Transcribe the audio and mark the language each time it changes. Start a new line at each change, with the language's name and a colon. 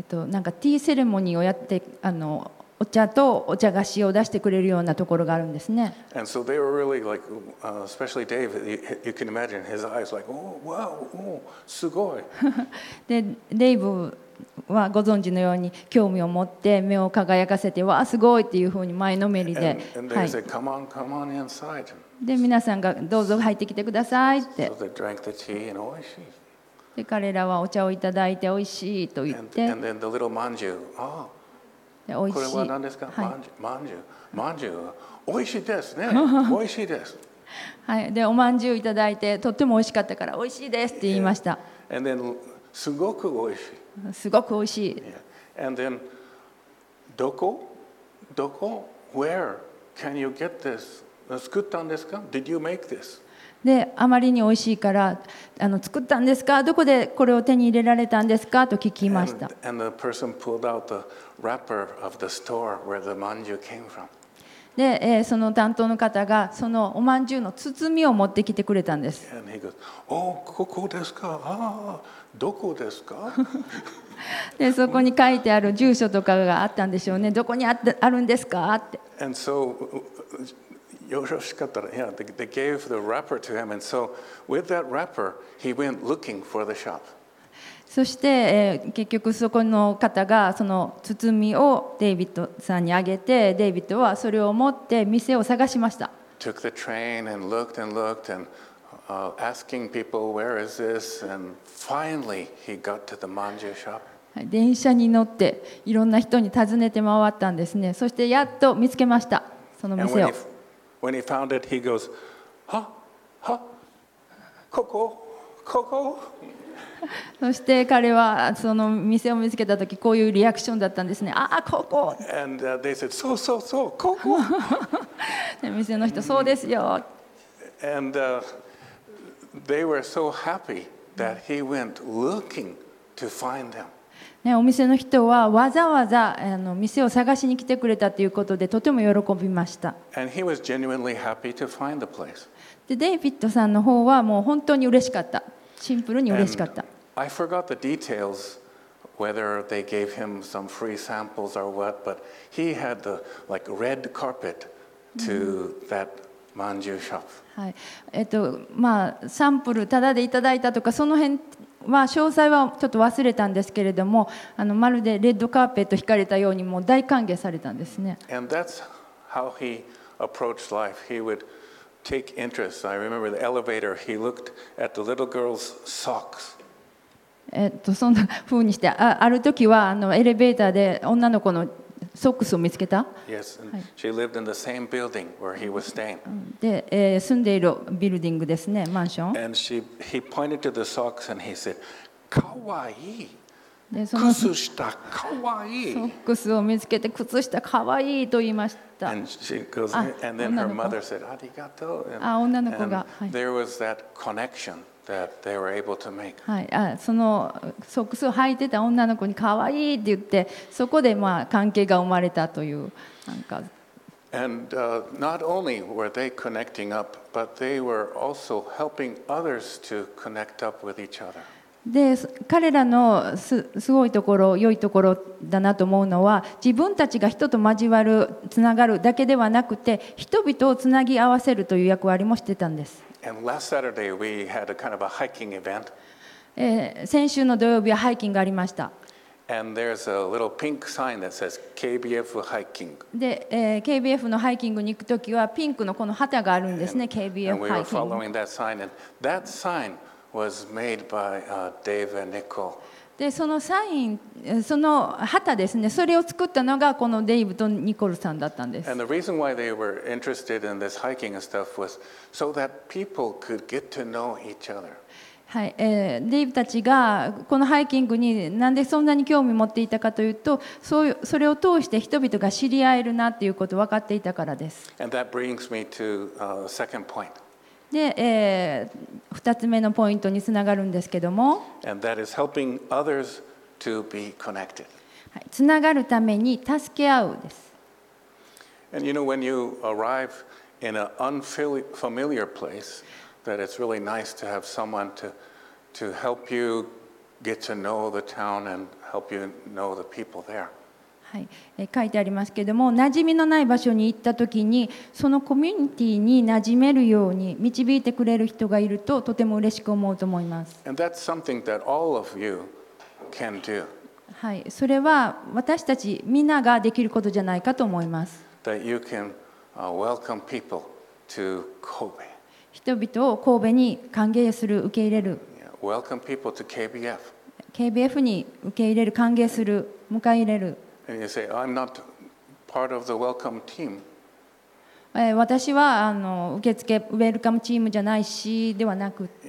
Japanese: なんかティーセレモニーをやってお茶とお茶菓子を出してくれるようなところがあるんですね。
English: And so they were really like, especially Dave, you can imagine his eyes like, oh, wow, oh,
Japanese: すごい。で、デイブはご存知のように興味を持って目を輝かせて、わあ、すごいっていうふうに前のめりで。
English: And they said, come on, come on inside.
Japanese: で、皆さんがどうぞ入ってきてくださいって。
English: So they drank the tea and
Japanese: おいしい。で彼らはお茶をいただいておいしいと言って、
English: and then the little manju. Oh,
Japanese: でおいしい。これは何ですか？ manju、manju、おいしいですね。おいしいです。はい。でお饅頭いただいてとってもおいしかったからおいしいですって言いました。
English: Yeah. And then
Japanese: すごくおいしい。すごくおいしい。
English: Yeah. And then
Japanese: どこ？どこ？
English: Where can you get this？
Japanese: 作ったんですか？
English: Did you make this？
Japanese: であまりに美味しいから作ったんですか、どこでこれを手に入れられたんですかと聞きました。
English: and the person pulled out the wrapper of the store where the manju came from.
Japanese: で、その担当の方がそのお饅頭の包みを持ってきてくれたんです。
English: and he goes, oh,
Japanese: ここですか、どこですか。でそこに書いてある住所とかがあったんでしょうね。どこに あるんですかって。
English: and so,
Japanese: よろしかったら、
English: yeah, they gave the wrapper to him, and so with that wrapper, he went looking for the shop.
Japanese: そして、結局そこの方がその包みをデイビッドさんにあげて、デイビッドはそれを持って店を探しました。
English: Took the train and looked and looked and, asking people where is this, and finally he got to the manju shop.
Japanese: 電車に乗っていろんな人に尋ねて回ったんですね。そしてやっと見つけました、その店を。
English: When he found it, he goes, ha, ha,
Japanese: koko, koko. そして彼はその店を見つけたときこういうリアクションだったんですね。ああ、ここ。
English: And they said,
Japanese: so, so, so, koko. 店の人、そうですよ。
English: And they were so happy that he went looking to find them.
Japanese: ね、お店の人はわざわざ店を探しに来てくれたということでとても喜びました。
English: And he was genuinely happy to find the place.
Japanese: で、デイビッドさんの方はもう本当に嬉しかった。シンプルに嬉しかった。
English: And、I forgot the details whether they gave him some free samples or what, but he had the like red carpet to that manju shop.
Japanese: はい。まあサンプルタダでいただいたとかその辺は詳細はちょっと忘れたんですけれども、まるでレッドカーペット引かれたようにもう大歓迎されたんですね。
English: And that's how he approached life. He would take interest. I remember the elevator. He looked at the little girl's socks.
Japanese: そんな風にして、ある時はエレベーターで女の子のソックスを見つけた。
English: Yes, and she lived in the same building where he was staying.
Japanese: で、住んでいるビルディングですね、マンション。
English: And he pointed to the socks and he said, "Kawaii."
Japanese: で、その靴下、kawaii. ソックスを見つけて靴下かわいいと言いました。
English: And she goes, and then her mother said, "Arigato."
Japanese: あ、女の子が。
English: And there was that connection. That they were able to make.
Japanese: はい、そのソックスを履いてた女の子にかわいいって言って、そこでまあ関係が生まれたというなんか。
English: And not only were they connecting up, but they were also helping others to connect up with each other.
Japanese: で、彼らの すごいところ、良いところだなと思うのは、自分たちが人と交わる、つながるだけではなくて、人々をつなぎ合わせるという役割もしてたんです。
English: And last Saturday we had a kind of a hiking event.
Japanese: 先週の土曜日はハイキングがありました。
English: And there's a little pink sign that says KBF hiking.
Japanese: で、KBF のハイキングに行くときはピンクのこの旗があるんですね、KBF ハイキング。
English: And we were following that sign, and that sign was made by Dave and Nicole.
Japanese: で、そのサイン、その旗ですね、それを作ったのがこのデイブとニコルさんだったんです。
English: And the reason why they were interested in this hiking and stuff was so that people could get to know each other.
Japanese: はい、デイブたちがこのハイキングになんでそんなに興味を持っていたかというと、それを通して人々が知り合えるなっていうことを分かっていたからです。
English: And that brings me to a second point.
Japanese: で、2つ目のポイントにつながるんですけども、
English: And that is helping others to be connected.
Japanese: はい、つながるために助け合うです。
English: And you know, when you arrive in an unfamiliar place, that it's really nice to have someone to help you get to know the town and help you know the people there.
Japanese: はい、書いてありますけれども、馴染みのない場所に行ったときに、そのコミュニティに馴染めるように導いてくれる人がいるととても嬉しく思うと思います。
English: And that's something that all of you can do.
Japanese: はい、それは私たちみんなができることじゃないかと思います。
English: That you can welcome people to Kobe.
Japanese: 人々を神戸に歓迎する、受け入れる。
English: Welcome people to KBF.
Japanese: KBF に受け入れる、歓迎する、迎え入れる。
English: And you say, I'm not part of the welcome team.
Japanese: 私は受付、ウェルカムチームじゃないし、ではなくて。